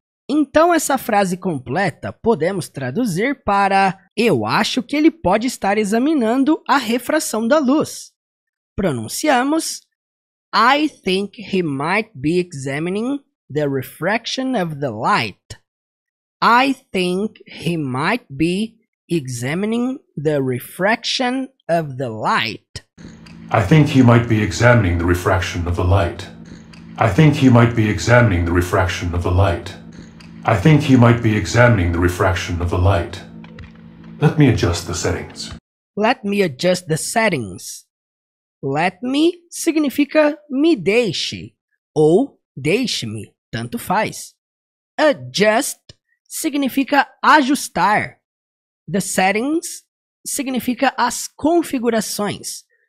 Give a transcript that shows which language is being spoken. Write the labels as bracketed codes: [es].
[pt] Então, essa frase completa podemos traduzir para eu acho que ele pode estar examinando a refração da luz. Pronunciamos [en] I think he might be examining the refraction of the light. I think he might be examining the refraction of the light. I think he might be examining the refraction of the light. I think he might be examining the refraction of the light. I think he might be examining the refraction of the light. Let me adjust the settings. Let me adjust the settings. [pt] Let me significa me deixe ou deixe-me, tanto faz. Adjust significa ajustar. The settings significa as configurações.